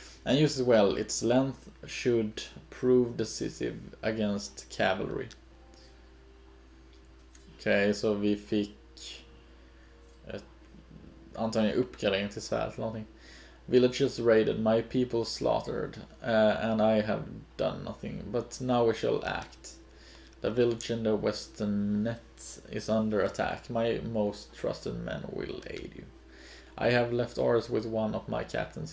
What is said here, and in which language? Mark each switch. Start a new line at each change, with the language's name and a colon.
English: And use it well, its length should prove decisive against cavalry.
Swedish: Okej, okay, så vi fick ett antagligen uppgradering till svärd eller någonting.
English: Villages raided, my people slaughtered, and I have done nothing, but now we shall act. The village in the western net is under attack. My most trusted men will aid you. I have left Oris with one of my captains.